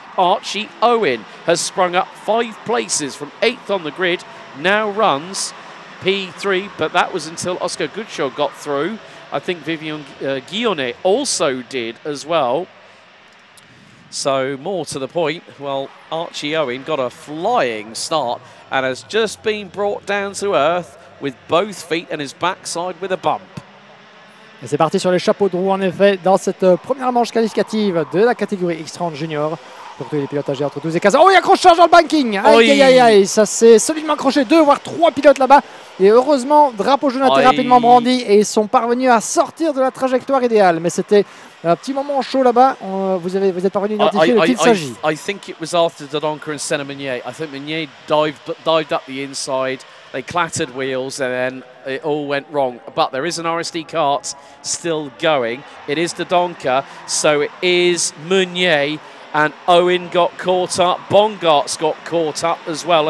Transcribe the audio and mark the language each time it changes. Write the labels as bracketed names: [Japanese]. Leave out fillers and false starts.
[English] Archie Owen has sprung up five places from eighth on the grid, now runs P3, but that was until Oscar Guccio got through. I think Vivien Guillonnet also did as well. So more to the point, well, Archie Owen got a flying start and has just been brought down to earth with both feet and his backside with a bump. [French] C'est parti sur les chapeaux de roue, en effet, dans cette première manche qualificative de la catégorie X30 Junior. Pour tous les pilotes âgés entre 12 et 15 ans. Oh, il accroche charge dans le banking. Aïe, aïe, aïe, aïe. Ça s'est solidement accroché. Deux, voire trois pilotes là-bas. Et heureusement, drapeau jaune a été rapidement brandi. Et ils sont parvenus à sortir de la trajectoire idéale. Mais c'était un petit moment chaud là-bas. Vous êtes parvenu à identifier de qui il s'agit. [English] I think it was after Dodonka and Senna Meunier. I think Meunier dived up the inside. They clattered wheels and then it all went wrong. But there is an RSD kart still going. It is Dodonka, so it is Meunier. And Owen got caught up. Bongaerts got caught up as well.